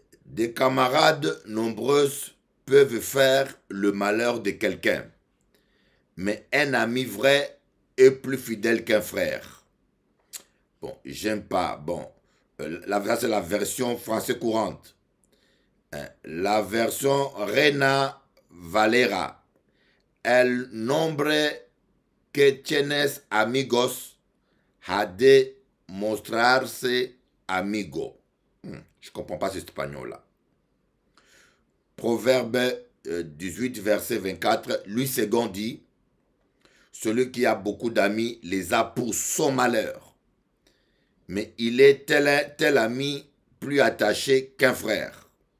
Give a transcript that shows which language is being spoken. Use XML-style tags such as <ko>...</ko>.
<fr>Des camarades nombreuses peuvent faire le malheur de quelqu'un, mais un ami vrai est plus fidèle qu'un frère. Bon, j'aime pas. Bon, là, ça, c'est la version français courante. Hein? La version Reina Valera.</fr> <es>El nombre que tienes amigos ha de mostrarse amigo.</es> <fr>Je comprends pas cet espagnol-là. Proverbe 18, verset 24. Louis Segond dit, celui qui a beaucoup d'amis les a pour son malheur. Mais il est tel ami plus attaché qu'un frère.</fr>